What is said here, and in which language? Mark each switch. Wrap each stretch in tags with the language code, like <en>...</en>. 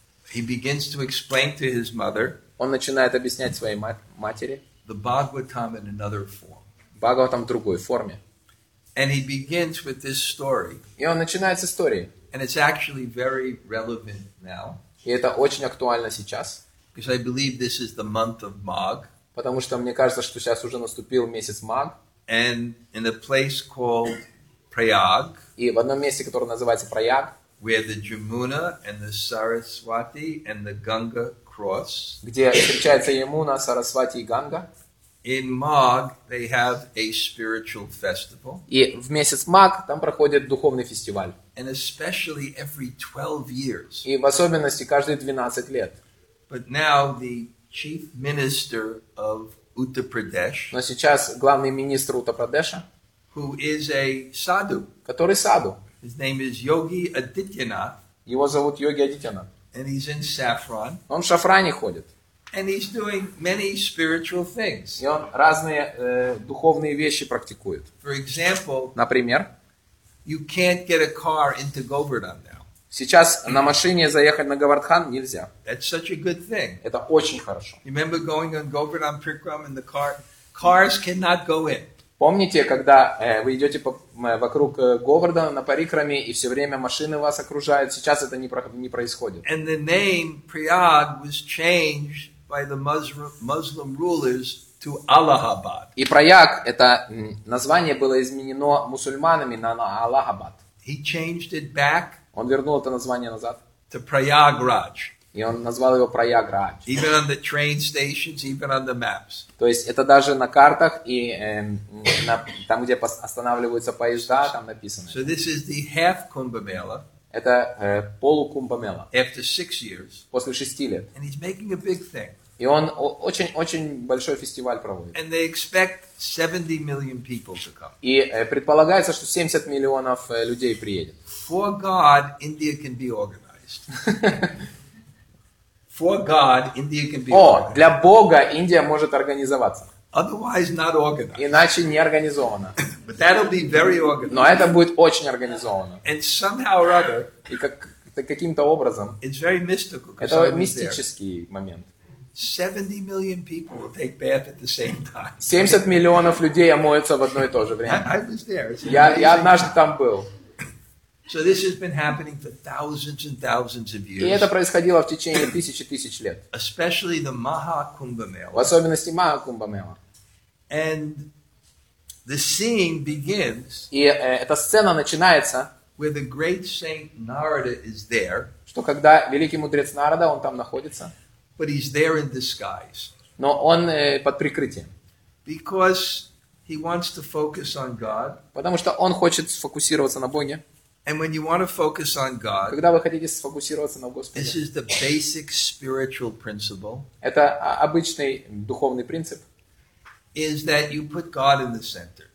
<en>He begins to explain to his mother.</en> <ru>Он начинает объяснять своей матери.</ru> <en>The Bhagavatam in another form.</en> <ru>Бхагаватам в другой форме.</ru> <en>And he begins with this story.</en> <ru>И он начинает с истории.</ru> <en>And it's actually very relevant now.</en> <ru>И это очень актуально сейчас.</ru> <en>Because I believe this is the month of Magh.</en> <ru>Потому что мне кажется, что сейчас уже наступил месяц Магх.</ru> <en>And in a place called Prayag.</en> <ru>И в одном месте, которое называется Прайаг.</ru> <en>Where the Jamuna and the Saraswati and the Ganga cross.</en> <ru>Где встречается Ямуна, Сарасвати и Ганга.</ru> <en>In Magh they have a spiritual festival.</en> <ru>И в месяц Магх там проходит духовный фестиваль.</ru> <en>And especially every 12 years.</en> <ru>И в особенности каждые 12 лет.</ru> <en>But now the chief minister of Uttar Pradesh.</en> <ru>Но сейчас главный министр Уттар Прадеша.</ru> <en>Who is a sadhu?</en> <ru>Который саду.</ru> <en>His name is Yogi Adityanath.</en> <ru>Его зовут Йоги Адитьянат.</ru> <en>And he's in saffron.</en> <ru>Он в шафране ходит.</ru> <en>And he's doing many spiritual things.</en> <ru>И он разные духовные вещи практикует.</ru> <en>For example.</en> <ru>Например.</ru> <en>You can't get a car into Govardhan now.</en> <ru>Сейчас на машине заехать на Говардхан нельзя.</ru> <en>That's such a good thing.</en> <ru>Это очень хорошо.</ru> <en>You remember going on Govardhan Prikram in the car? Cars cannot go in.</en> <ru>Помните, когда вы идете вокруг Говардхана на парикраме, и все время машины вас окружают? Сейчас это не происходит.</ru> <en>And the name Prayag was changed by the Muslim rulers to Allahabad.</en> <ru>И Прайаг, это название было изменено мусульманами на Аллахабад.</ru> <en>He changed it back.</en> <ru>Он вернул это название назад.</ru> <en>To Prayagraj.</en> <ru>И он назвал его Прайаград.</ru> <en>Even on the train stations, even on the maps.</en> <ru>То есть это даже на картах и там, где останавливаются поезда, там написано.</ru> <en>So this is the half Kumbh Mela.</en> <ru>Это полукумбх мела.</ru> <en>After 6 years.</en> <ru>После 6 лет.</ru> <en>And he's making a big thing.</en> <ru>И он очень-очень большой фестиваль проводит.</ru> <en>And they expect 70 million people to come.</en> <ru>И предполагается, что 70 миллионов людей приедет.</ru> <en>For God, India can be organized. For God, India can be organized.</en> <ru>О, для Бога Индия может организоваться.</ru> <en>Otherwise not organized.</en> <ru>Иначе не организовано.</ru> <en>But that'll be very organized.</en> <ru>Но это будет очень организовано.</ru> <en>And somehow or other,</en> <ru>и как, каким-то образом.</ru> <en>It's very mystical,</en> <ru>это мистический момент. 70 миллионов людей омоются в одно и то же время. Я однажды там был.</ru> <en>So this has been happening for thousands and thousands of years.</en> <ru>И это происходило в течение тысяч и тысяч лет.</ru> <en>Especially the Maha Kumbh Mela.</en> <ru>В особенности Maha Kumbh Mela.</ru> <en>And the scene begins.</en> <ru>И эта сцена начинается.</ru> <en>Where the great saint Narada is there.</en> <ru>Что когда великий мудрец Нарада, он там находится.</ru> <en>But he's there in disguise.</en> <ru>Но он под прикрытием.</ru> <en>Because he wants to focus on God.</en> <ru>Потому что он хочет сфокусироваться на Боге.</ru> <en>And when you want to focus on God,</en> <ru>когда вы хотите сфокусироваться на Господе,</ru> <en>this is the basic spiritual principle.</en> <ru>Это обычный духовный принцип.</ru> <en>Is that you put God in the center.</en>